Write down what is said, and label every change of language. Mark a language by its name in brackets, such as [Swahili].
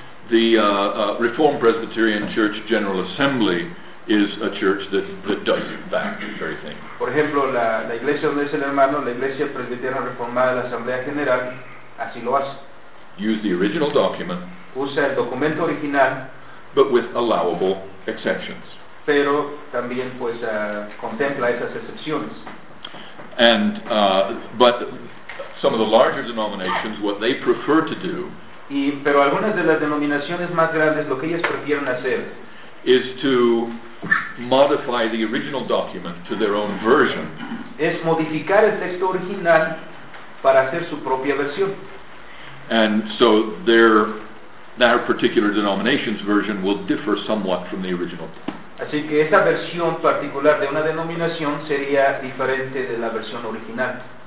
[English] The Reformed Presbyterian Church General Assembly is a church that does that very thing. [Spanish] Por ejemplo, la iglesia donde es el hermano, la iglesia presbiteriana reformada de la Asamblea General, así lo hace. [English] Use the original document. [Spanish] Usa el documento original. [English] But with allowable exceptions. [Spanish] Pero también pues contempla esas excepciones. [English] And but some of the larger denominations, what they prefer to do. [Spanish] Y pero algunas de las denominaciones más grandes, lo que ellas prefieren hacer. [English] Is to modify the original document to their own version. [Spanish] Es modificar el texto original para hacer su propia versión. [English] And so their that particular denomination's version will differ somewhat from the original. [Spanish] Así que esa versión particular de una denominación sería diferente de la versión original.